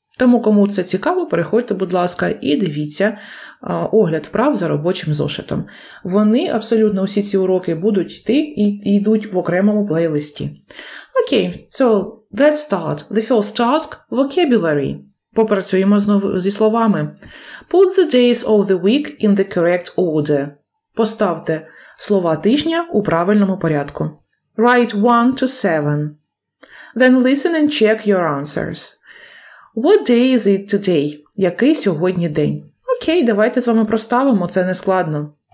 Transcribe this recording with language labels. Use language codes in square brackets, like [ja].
[uk] Тому, кому це цікаво, переходьте, будь ласка, і дивіться огляд вправ за робочим зошитом. Вони абсолютно усі ці уроки будуть йти і йдуть в окремому плейлисті. [en] Окей, so let's start. The first task – vocabulary. [uk] Попрацюємо знову зі словами. [en] Put the days of the week in the correct order. [uk] Поставте слова тижня у правильному порядку. [en] Write 1 to 7. Then listen and check your answers. What day is it today? [uk] Який сьогодні день? Окей, давайте з вами проставимо, це не складно.